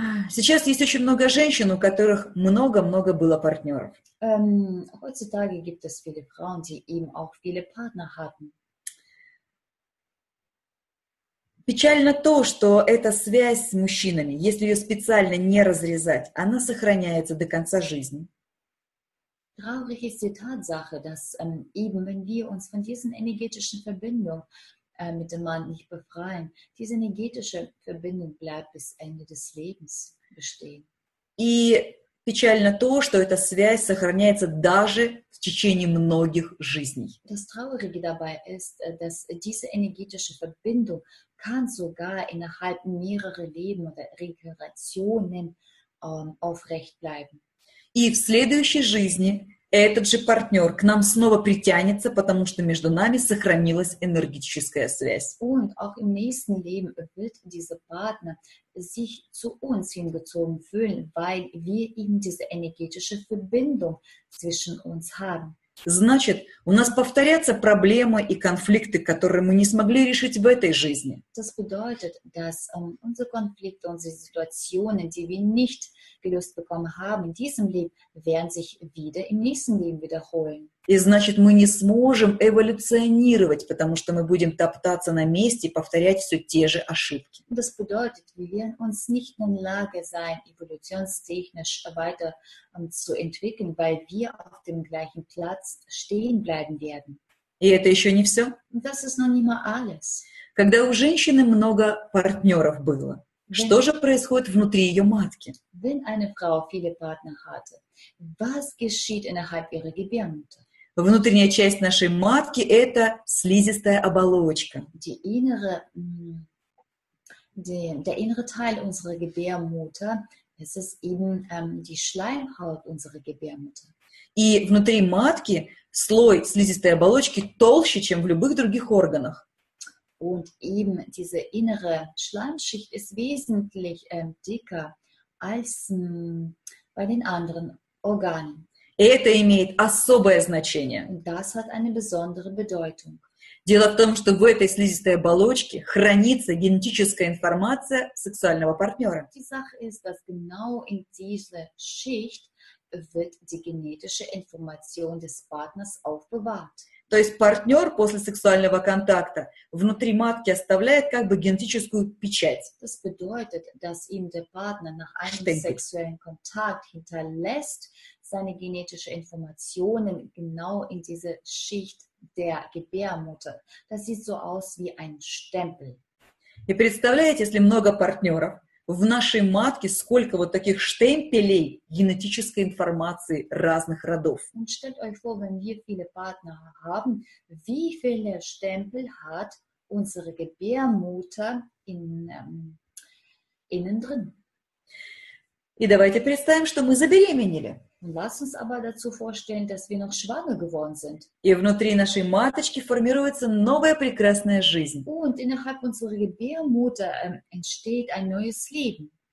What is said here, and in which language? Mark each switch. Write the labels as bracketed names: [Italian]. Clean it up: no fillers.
[Russian] Сейчас есть очень много женщин, у которых много-много было партнеров. [German] Heutzutage gibt es viele Frauen, die eben auch viele Partner hatten. [Russian] Печально то, что эта связь с мужчинами, если ее специально не разрезать, она сохраняется до конца жизни. [German] Traurig ist die Tatsache, dass eben wenn wir uns von diesen energetischen Verbindungen mit dem Mann nicht befreien. Diese energetische Verbindung bleibt bis Ende des Lebens bestehen. [Russian] И печально то, что эта связь сохраняется даже в течение многих жизней. [German] Das Traurige dabei ist, dass diese energetische Verbindung kann sogar innerhalb mehrerer Leben oder Regenerationen aufrecht bleiben. [Russian] И в следующей жизни этот же партнер к нам снова притянется, потому что между нами сохранилась энергетическая связь. [German] Und auch im nächsten Leben wird dieser Partner sich zu uns hingezogen fühlen, weil wir eben diese energetische Verbindung zwischen uns haben. [Russian] Значит, у нас повторятся проблемы и конфликты, которые мы не смогли решить в этой жизни. [German] Das bedeutet, dass unsere Konflikte, unsere Situationen, die wir nicht gelöst bekommen haben in diesem Leben, werden sich wieder im nächsten Leben wiederholen. [Russian] И значит, мы не сможем эволюционировать, потому что мы будем топтаться на месте и повторять все те же ошибки. [German] Das bedeutet, wir werden uns nicht in Lage sein, evolutionstechnisch weiter zu entwickeln, weil wir auf dem gleichen Platz stehen bleiben werden. [Russian] И это еще не все. [German] Das ist noch nicht mal alles. [Russian] Когда у женщины много партнеров было, что же происходит внутри ее матки? [German] Wenn eine Frau viele Partner hatte, was geschieht innerhalb ihrer Gebärmutter? [Russian] Внутренняя часть нашей матки – это слизистая оболочка. [German] Der innere Teil unserer Gebärmutter, es ist eben die Schleimhaut unserer Gebärmutter. [Russian] И внутри матки слой слизистой оболочки толще, чем в любых других органах. [German] Und eben diese innere Schleimschicht ist wesentlich dicker als bei den anderen Organen. [Russian] Это имеет особое значение. [German] Das hat eine besondere Bedeutung. [Russian] Дело в том, что в этой слизистой оболочке хранится генетическая информация сексуального партнера. [German] Die Sache ist, dass genau in dieser Schicht wird die genetische Information des Partners aufbewahrt. [Russian] То есть партнер после сексуального контакта внутри матки оставляет как бы генетическую печать. [German] Das bedeutet, dass ihm der Partner nach einem Stempel. Sexuellen Kontakt hinterlässt seine genetische Informationen genau in diese Schicht der Gebärmutter. Das sieht so aus wie ein Stempel. [Russian] И представляете, если много партнеров, в нашей матке сколько вот таких штемпелей генетической информации разных родов. [German] Und stellt euch vor, wenn wir viele Partner haben, wie viele Stempel hat unsere Gebärmutter innen drin? [Russian] И давайте представим, что мы забеременели. [German] Und lass uns aber dazu vorstellen, dass wir noch schwanger geworden sind. [Russian] И внутри нашей маточки формируется новая прекрасная жизнь. [German] Und innerhalb unserer Gebärmutter entsteht ein neues Leben.